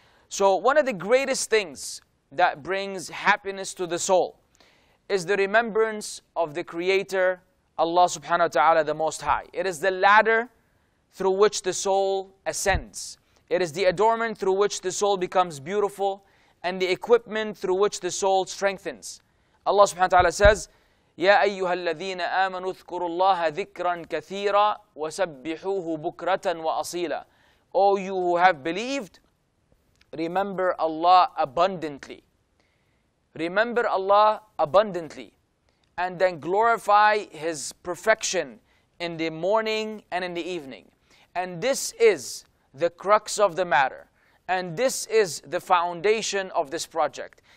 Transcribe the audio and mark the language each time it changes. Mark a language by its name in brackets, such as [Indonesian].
[English] So one of the greatest things that brings happiness to the soul is the remembrance of the Creator, Allah subhanahu wa ta'ala, the Most High. It is the ladder through which the soul ascends. It is the adornment through which the soul becomes beautiful and the equipment through which the soul strengthens. [Arabic] Allah subhanahu wa ta'ala says, يَا أَيُّهَا الَّذِينَ آمَنُوا اذْكُرُوا اللَّهَ ذِكْرًا كَثِيرًا وَسَبِّحُوهُ بُكْرَةً وَأَصِيلًا. [English] O you who have believed, remember Allah abundantly. Remember Allah abundantly. And then glorify His perfection in the morning and in the evening. And this is the crux of the matter. And this is the foundation of this project.